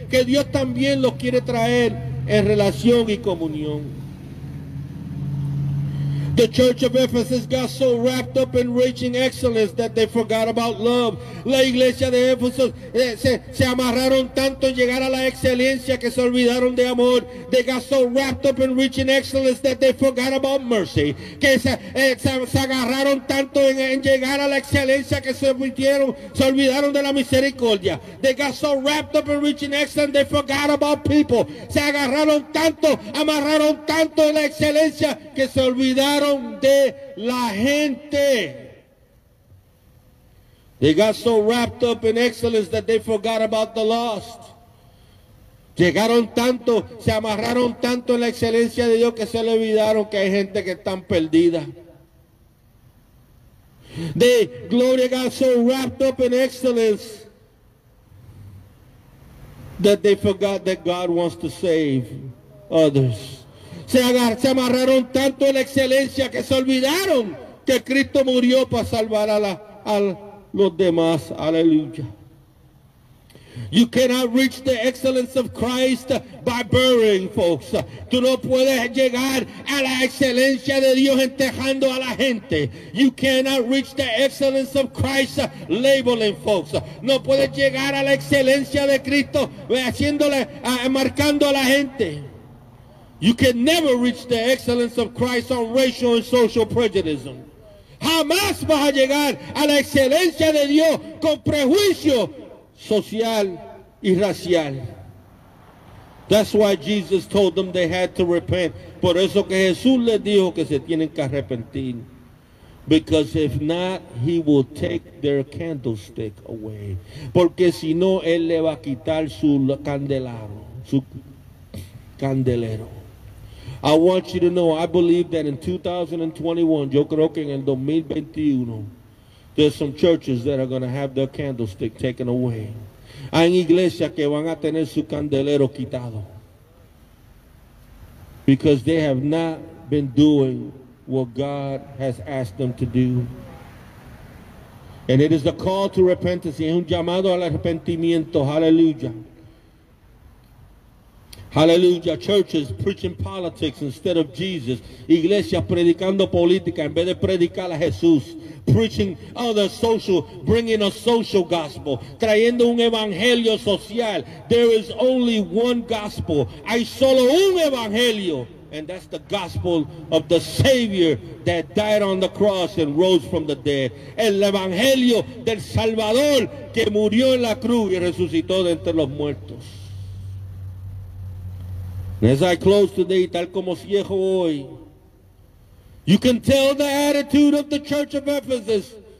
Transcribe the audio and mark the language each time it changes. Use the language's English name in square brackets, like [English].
[Spanish] Que Dios también los quiere traer. En relación y comunión. [English] The church of Ephesus got so wrapped up in reaching excellence that they forgot about love. [Spanish] La iglesia de Éfeso se amarraron tanto en llegar a la excelencia que se olvidaron de amor. [English] They got so wrapped up in reaching excellence that they forgot about mercy. [Spanish] Que se agarraron tanto en llegar a la excelencia que se olvidaron de la misericordia. [English] They got so wrapped up in reaching excellence they forgot about people. [Spanish] Se agarraron tanto, amarraron tanto en la excelencia que se olvidaron de la gente. [English] They got so wrapped up in excellence that they forgot about the lost. [Spanish] Llegaron tanto, se amarraron tanto en la excelencia de Dios que se le olvidaron que hay gente que están perdida. [English] They, glory to God, so wrapped up in excellence that they forgot that God wants to save others. [Spanish] Se amarraron tanto en la excelencia que se olvidaron que Cristo murió para salvar a los demás. Aleluya. [English] You cannot reach the excellence of Christ by burying folks. [Spanish] Tú no puedes llegar a la excelencia de Dios enterrando a la gente. [English] You cannot reach the excellence of Christ labeling folks. [Spanish] No puedes llegar a la excelencia de Cristo marcando a la gente. [English] You can never reach the excellence of Christ on racial and social prejudice. [Spanish] Jamás vas a llegar a la excelencia de Dios con prejuicio social y racial. [English] That's why Jesus told them they had to repent. [Spanish] Por eso que Jesús les dijo que se tienen que arrepentir. [English] Because if not, he will take their candlestick away. [Spanish] Porque si no, él le va a quitar su candelero. [English] I want you to know, I believe that in 2021, [Spanish] yo creo que en el 2021, [English] there's some churches that are going to have their candlestick taken away. [Spanish] Hay iglesias que van a tener su candelero quitado. [English] Because they have not been doing what God has asked them to do. And it is a call to repentance. [Spanish] Es un llamado al arrepentimiento. [English] Hallelujah. Hallelujah, churches preaching politics instead of Jesus. [Spanish] Iglesias predicando política en vez de predicar a Jesús. [English] Preaching other social, bringing a social gospel. [Spanish] Trayendo un evangelio social. [English] There is only one gospel. [Spanish] Hay solo un evangelio. [English] And that's the gospel of the Savior that died on the cross and rose from the dead. [Spanish] El evangelio del Salvador que murió en la cruz y resucitó de entre los muertos. [English] As I close today, [Spanish] tal como cierro hoy, [English] you can tell the attitude of the Church of Ephesus.